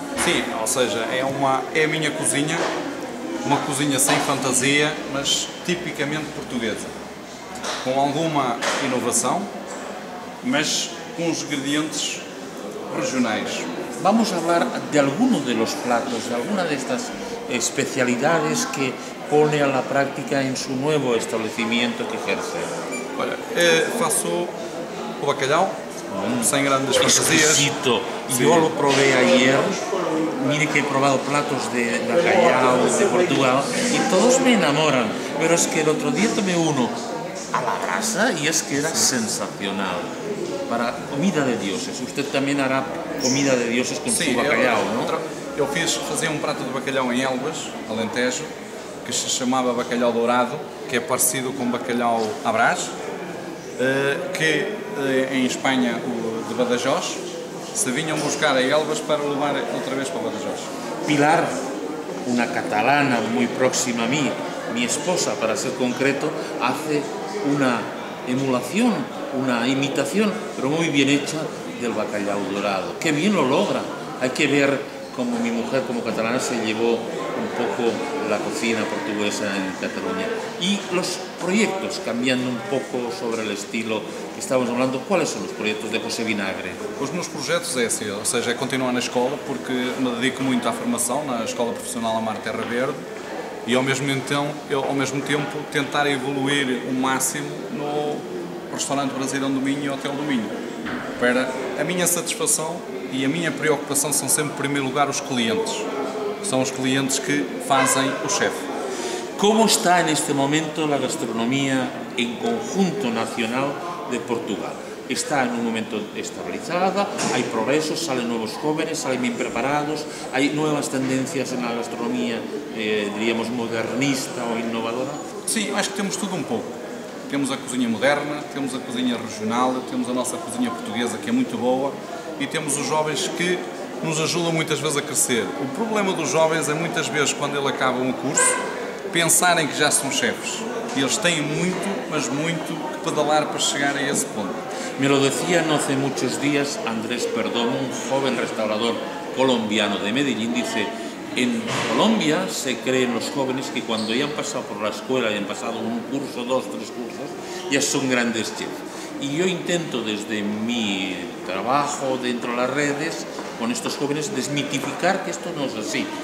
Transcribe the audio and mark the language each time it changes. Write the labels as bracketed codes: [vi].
[es] Sí, o sea, es mi cocina, una cocina sin fantasía, mas típicamente portuguesa, con alguna innovación, mas con los ingredientes regionales. Vamos a hablar de alguno de los platos, de alguna de estas especialidades que pone a la práctica en su nuevo establecimiento que ejerce. [pt] Olha, faço o bacalhau, sem grandes fantasias. [es] Exquisito. Yo lo probé ayer. Mire que he probado platos de bacalhau de Portugal y todos me enamoran. Pero es que el otro día tomé uno a la brasa y es que era sensacional. Para comida de dioses. Usted también hará comida de dioses con su bacalhau, ¿no? [pt] Eu fazia um prato de bacalhau em Elvas, Alentejo, que se chamava bacalhau dourado, que é parecido com bacalhau à Brás, que em Espanha, de Badajoz, se vinham buscar a Elvas para levar outra vez para Badajoz. Pilar, uma catalana muito próxima a mim, minha esposa, para ser concreto, hace uma emulação, uma imitação, mas muito bem feita, do bacalhau dourado. [es] Que bem lo logra. Hay que ver como mi mujer, como catalana, se llevó un poco la cocina portuguesa en Cataluña. Y los proyectos, cambiando un poco sobre el estilo que estábamos hablando, ¿cuáles son los proyectos de José Vinagre? Pues los proyectos es ese, o sea, es continuar en la escuela, porque me dedico mucho a formación en la Escuela Profesional Amar Terra Verde, y al mismo tiempo intentar evoluir un máximo en el restaurante Braseirão do Minho y Hotel do Minho. [pt] Para a minha satisfação e a minha preocupação são sempre, em primeiro lugar, os clientes. São os clientes que fazem o chefe. Como está neste momento a gastronomia em conjunto nacional de Portugal? Está num momento estabilizada, há progressos, saem novos jovens, saem bem preparados, há novas tendências na gastronomia, diríamos, modernista ou inovadora? Sim, acho que temos tudo um pouco. Temos a cozinha moderna, temos a cozinha regional, temos a nossa cozinha portuguesa, que é muito boa, e temos os jovens que nos ajudam muitas vezes a crescer. O problema dos jovens é muitas vezes, quando eles acabam um curso, pensarem que já são chefes. E eles têm muito, mas muito, que pedalar para chegar a esse ponto. [es] Me lo decía não hace muchos días Andrés Perdomo, um joven restaurador colombiano de Medellín, disse: en Colombia se creen los jóvenes que cuando ya han pasado por la escuela y han pasado un curso, dos, tres cursos, ya son grandes chefs. Y yo intento desde mi trabajo dentro de las redes con estos jóvenes desmitificar que esto no es así.